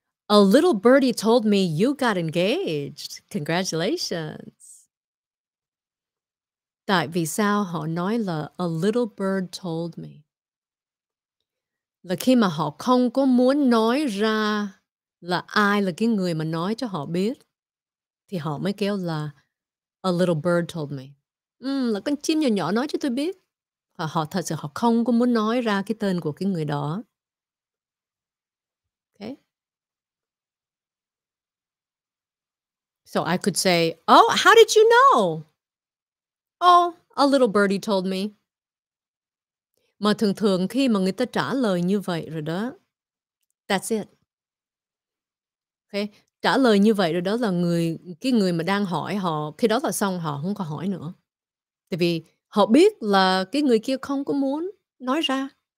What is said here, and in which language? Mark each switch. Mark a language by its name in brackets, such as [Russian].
[English] A little birdie told me you got engaged. Congratulations. [Vietnamese] Tại vì sao họ nói là [English] a little bird told me. [Vietnamese] Là khi mà họ không có muốn nói ra là ai là cái người mà nói cho họ biết. Thì họ mới kêu là [English] a little bird told me. [Vietnamese] Là con chim nhỏ nhỏ nói cho tôi biết. Và họ thật sự họ không có muốn nói ra cái tên của cái người đó. [English] Okay. So I could say, oh, how did you know? Oh, a little birdie told me. [Vietnamese] Mà thường thường khi mà người ta trả lời như vậy rồi đó, [English] that's it. Okay. [Vietnamese] Trả lời như vậy rồi đó là người cái người mà đang hỏi họ, khi đó là xong họ không có hỏi nữa. Tại vì họ biết là cái người kia không có muốn nói ra.